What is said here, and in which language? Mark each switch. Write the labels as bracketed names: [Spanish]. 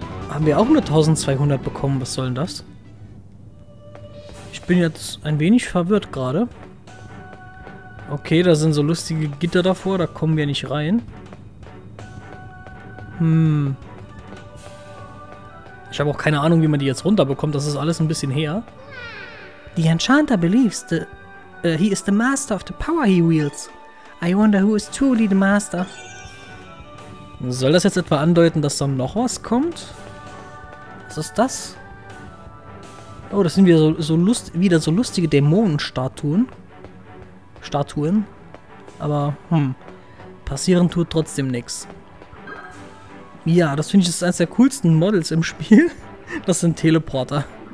[German] Haben wir auch nur 1200 bekommen, was soll denn das? Ich bin jetzt ein wenig verwirrt gerade. Okay, da sind so lustige Gitter davor, da kommen wir nicht rein. Ich habe auch keine Ahnung, wie man die jetzt runterbekommt, das ist alles ein bisschen her. [English] The Enchanter believes that he is the master of the power he wields. I wonder who is truly the master. [German] Soll das jetzt etwa andeuten, dass da noch was kommt? Was ist das? Oh, das sind wieder so lustige Dämonenstatuen. Statuen. Aber, passieren tut trotzdem nichts. Ja, das finde ich ist eines der coolsten Models im Spiel. Das sind Teleporter.